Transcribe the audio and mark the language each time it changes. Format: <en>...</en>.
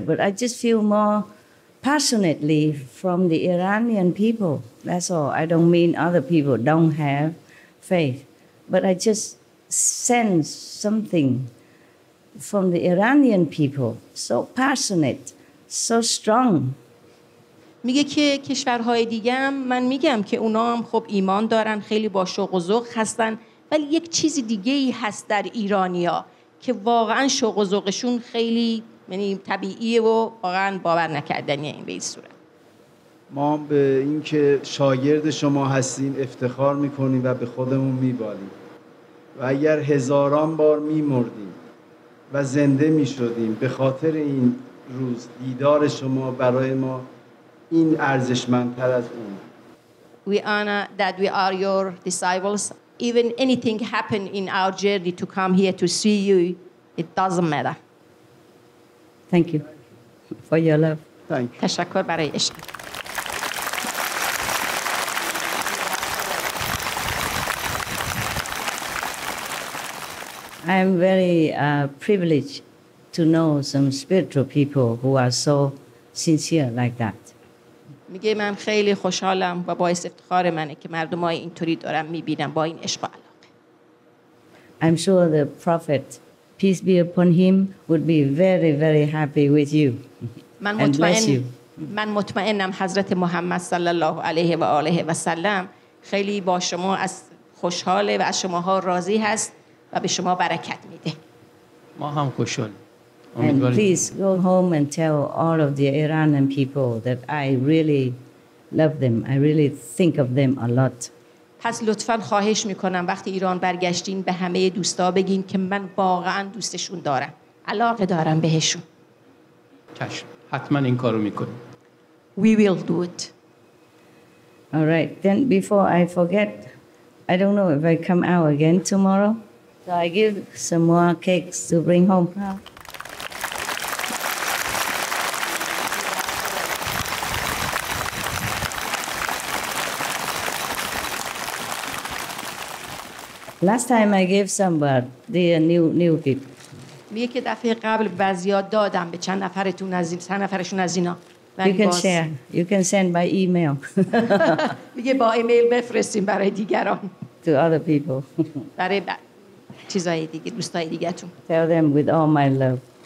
<en>But I just feel more passionately from the Iranian people. That's all. I don't mean other people don't have faith, but I just sense something from the Iranian people. So passionate, so strong.</en> <fa>میگه که کشورهای دیگه هم من میگم که اونا هم خب ایمان دارن خیلی با شوق و ذوق هستن ولی یک چیز دیگه ای هست در ایرانیا که واقعا شوق و ذوقشون خیلی یعنی طبیعیه و واقعا باور نکردنیه این به این صورت ما به این که شاگرد شما هستیم افتخار میکنیم و به خودمون میبالیم و اگر هزاران بار میمردیم و زنده میشدیم به خاطر این روز دیدار شما برای ما این ارزشمندتر از اون</fa> <en>We honor that we are your disciples. Even anything happened in our journey to come here to see you, it doesn't matter. Thank you for your love. Thank you.</en> <fa>تشکر برای عشق.</fa> <en>I am very privileged to know some spiritual people who are so sincere like that.</en> <fa>میگه من خیلی خوشحالم و باعث افتخار منه که مردم های اینطوری دارم میبینم با این عشق و علاقه.</fa> <en>I'm sure the Prophet, peace be upon him, would be very, very happy with you.</en> <fa>من مطمئن, من مطمئنم حضرت محمد صلی الله علیه و آله و سلم خیلی با شما از خوشحاله و از شماها راضی هست و به شما برکت میده. ما هم خوشحالیم.</fa> <en>And please go home and tell all of the Iranian people that I really love them. I really think of them a lot.</en> <fa>پس لطفاً خواهش میکنم وقتی ایران برگشتین به همه دوستا بگین که من واقعاً دوستشون دارم. علاقه دارم بهشون. چشم. حتماً این کارو میکنیم.</fa> <en>We will do it. All right. Then before I forget, I don't know if I come out again tomorrow. So I give some more cakes to bring home. Last time I gave some but the new kid.</en> <fa>میگه که دفعه قبل بزیاد دادم به چند نفرتون از این سه نفرشون از اینا.</fa> <en>You can share. You can send by email.</en> <fa>میگه با ایمیل بفرستیم برای دیگران.</fa> <en>To other people.</en> <fa>برای چیزای دیگه دوستای دیگه‌تون.</fa> <en>Tell them with all my love.</en>